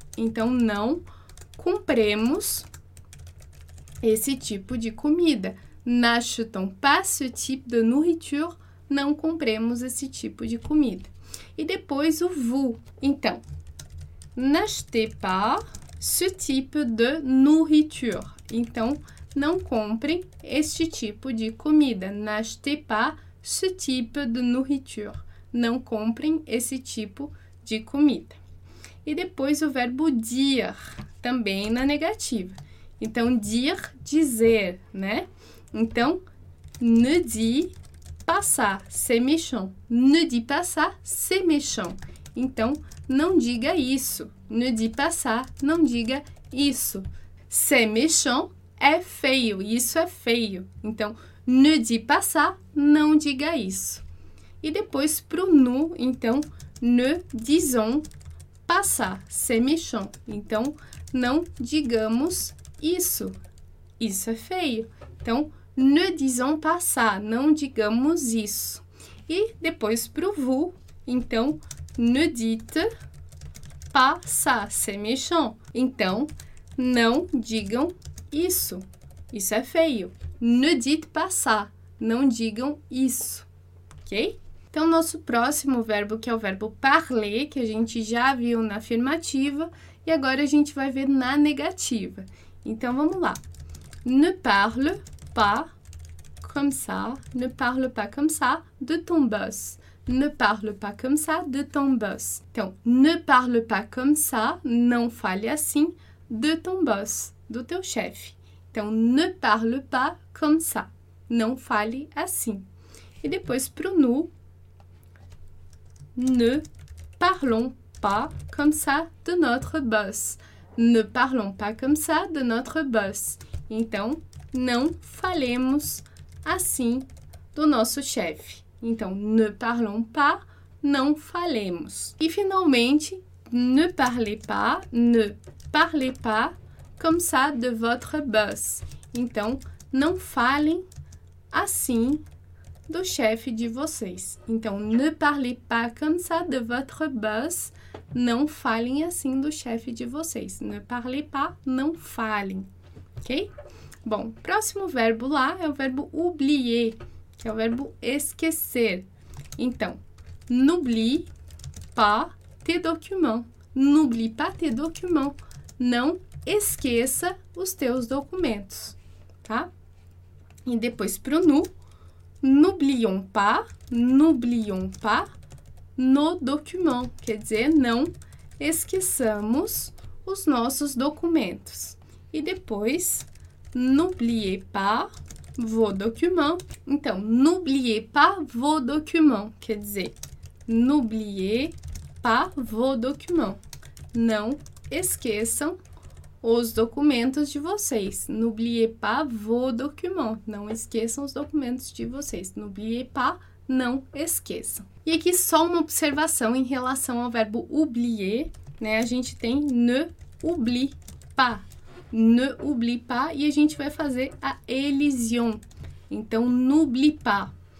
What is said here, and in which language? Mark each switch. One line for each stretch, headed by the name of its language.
Portuguese: Então, não compremos esse tipo de comida.
French: N'achetons pas ce type de nourriture.
Portuguese: Não compremos esse tipo de comida. E depois o vous. Então,
French: n'achetez pas ce type de nourriture.
Portuguese: Então, não compre este tipo de comida.
French: N'achetez pas ce type de nourriture.
Portuguese: Não comprem esse tipo de comida. E depois o verbo dire, também na negativa. Então, dire, dizer, né? Então,
French: ne dis pas ça, c'est méchant. Ne dis pas ça, c'est méchant.
Portuguese: Então, não diga isso.
French: Ne dis pas ça,
Portuguese: não diga isso.
French: C'est méchant,
Portuguese: é feio, isso é feio. Então,
French: ne dis pas ça,
Portuguese: não diga isso. E depois, pro nu, então,
French: ne disons passar, c'est méchant.
Portuguese: Então, não digamos isso. Isso é feio. Então,
French: ne disons pas ça,
Portuguese: não digamos isso. E depois pro vous, então,
French: ne dites pas ça, c'est méchant.
Portuguese: Então, não digam isso. Isso é feio.
French: Ne dites pas ça,
Portuguese: não digam isso. Ok? Então, nosso próximo verbo, que é o verbo parler, que a gente já viu na afirmativa, e agora a gente vai ver na negativa. Então, vamos lá.
French: Ne parle pas comme ça, ne parle pas comme ça de ton boss. Ne parle pas comme ça de ton boss.
Portuguese: Então,
French: ne parle pas comme ça,
Portuguese: não fale assim,
French: de ton boss,
Portuguese: do teu chefe. Então,
French: ne parle pas comme ça,
Portuguese: não fale assim. E depois, pro
French: nous, ne parlons pas comme ça de notre boss. Ne parlons pas comme ça de notre boss.
Portuguese: Então, não falemos assim do nosso chefe. Então,
French: ne parlons pas,
Portuguese: não falemos. E finalmente,
French: ne parlez pas comme ça de votre boss.
Portuguese: Então, não falem assim do chefe de vocês. Então,
French: ne parlez pas comme ça de votre boss.
Portuguese: Não falem assim do chefe de vocês.
French: Ne parlez pas,
Portuguese: não falem. Ok? Bom, próximo verbo lá é o verbo oublier, que é o verbo esquecer. Então,
French: n'oublie pas tes documents. N'oublie pas tes documents.
Portuguese: Não esqueça os teus documentos, tá? E depois pro nu,
French: n'oublions pas nos documents,
Portuguese: quer dizer, não esqueçamos os nossos documentos. E depois,
French: n'oubliez pas vos documents.
Portuguese: Então,
French: n'oubliez pas vos documents,
Portuguese: quer dizer,
French: n'oubliez pas vos documents.
Portuguese: Não esqueçam os documentos de vocês.
French: N'oubliez pas vos documents.
Portuguese: Não esqueçam os documentos de vocês.
French: N'oubliez pas,
Portuguese: não esqueçam. E aqui só uma observação em relação ao verbo oublier, né? A gente tem
French: ne oublie pas. Ne oublie pas
Portuguese: e a gente vai fazer a elision. Então,
French: n'oublie pas.